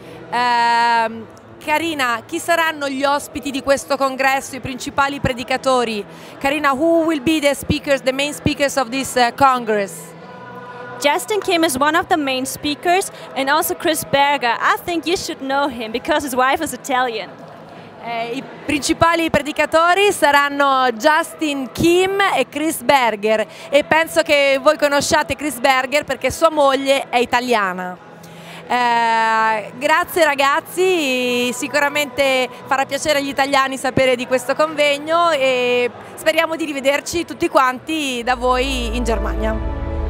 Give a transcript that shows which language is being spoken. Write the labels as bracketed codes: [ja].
[it] Karina, chi saranno gli ospiti di questo congresso, i principali predicatori? [en] Karina, who will be the speakers, the main speakers of this congress? Justin Kim is one of the main speakers and also Chris Berger. I think you should know him because his wife is Italian. [it] I principali predicatori saranno Justin Kim e Chris Berger e penso che voi conosciate Chris Berger perché sua moglie è italiana. Grazie ragazzi, sicuramente farà piacere agli italiani sapere di questo convegno e speriamo di rivederci tutti quanti da voi in Germania.